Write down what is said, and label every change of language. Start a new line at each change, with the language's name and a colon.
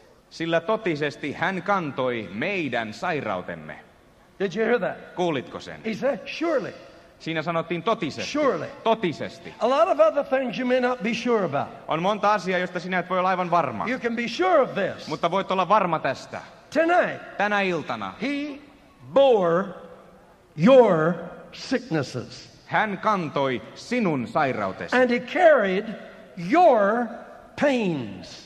Finnish: Sillä totisesti hän kantoi meidän sairautemme.
English: Did you hear that?
Finnish: Kuulitko sen?
English: He said, surely.
Finnish: Siinä sanottiin totisesti.
English: Surely.
Finnish: Totisesti.
English: A lot of other things you may not be sure about.
Finnish: On monta asiaa, josta sinä et voi olla aivan varma.
English: You can be sure of this.
Finnish: Mutta voit olla varma tästä.
English: Tonight.
Finnish: Tänä iltana.
English: He bore your sicknesses.
Finnish: Hän kantoi sinun sairautesi.
English: And he carried your pains.